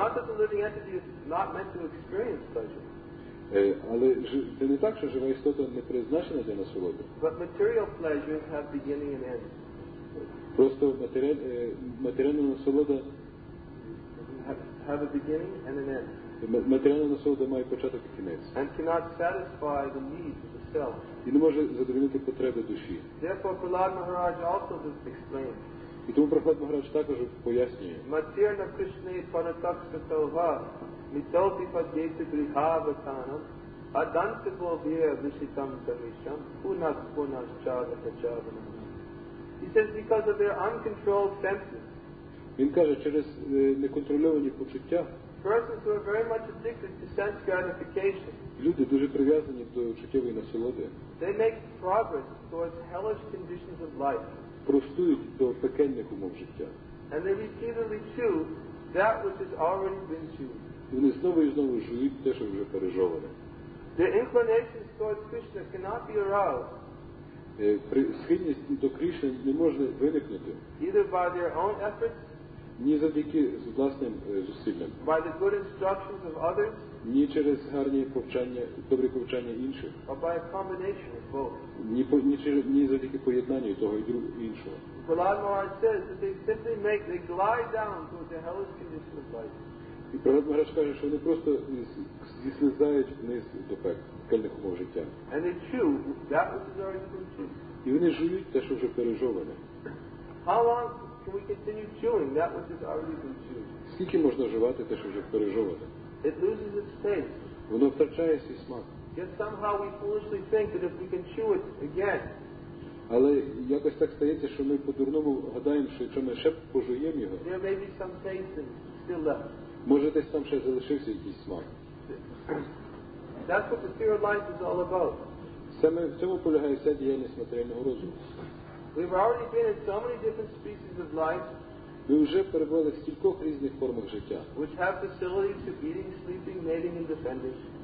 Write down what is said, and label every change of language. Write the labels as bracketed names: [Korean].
[English] Not that the living entity is not meant to experience pleasure. [Ukrainian] Але це не так, що жива істота не призначена для насолоди. [English] But material pleasures have beginning and end. [Ukrainian] Просто матеріальна насолода [English] have a beginning and an end. [Ukrainian] Матеріальна насолода має початок і кінець. [English] And cannot satisfy the needs of the self. [Ukrainian] І не може задовольнити потреби душі. [English] Therefore, Prahlad Maharaj also just explained. [Ukrainian] І тому Прохлад Махарадж також пояснює. Матірна Кришна Панатакса Талва Мітопі Падгейти Гріхава Танам Аданте Бовєя Вишитам Тамішам Кунас Кунас Чава Качава Намі. [English] He says, because of their uncontrolled senses. [Ukrainian] Він каже, через неконтрольовані почуття, [English] persons who are very much addicted to sense gratification, [Ukrainian] люди дуже прив'язані до чуттєвої насолоди, [English] they make progress towards hellish conditions of life. [Ukrainian] Простують до пекельних умов життя. [English] And they repeatedly chew that which has already been chewed. [Ukrainian] Вони знову і знову жують те, що вже пережоване. [English] Their inclinations towards Krishna cannot be aroused. [Ukrainian] Схильність до Кришни не може виникнути. [English] Either by their own efforts, [Ukrainian] Ні завдяки власним зусиллям. [English] By the good instructions of others. [Ukrainian] Ні через гарні повчання, добре повчання інших. [English] But by a combination of both. [Ukrainian] Ні завдяки поєднанню того і іншого. [English] Prahlad Maharaj says that they simply make, they glide down to the hellish condition of life. [Ukrainian] І Прохлад Махарадж каже, що вони просто зісліздають вниз до пекельних умов життя. [English] And they chew that which is already consumed. [Ukrainian] І вони жують те, що вже пережоване. [English] How long can we continue chewing that which is already consumed? [Ukrainian] Скільки можна жувати те, що вже пережоване? [English] It loses its taste. [Ukrainian] Воно втрачає свій смак. [English] Yet somehow we foolishly think that if we can chew it again. [Ukrainian] Але якось так стається, що ми по-дурному гадаємо, що якщо ми ще пожуємо його, [English] there may be some taste still left. [Ukrainian] Може, десь там ще залишився якийсь смак. [English] That's what the sphere of life is all about. [Ukrainian] Саме в цьому полягає вся діяльність матеріального розуму. [English] We've already been in so many different species of life. [Ukrainian] Ми вже перебували в стількох різних формах життя. [English] Which have facilities to eating, sleeping, mating and defending.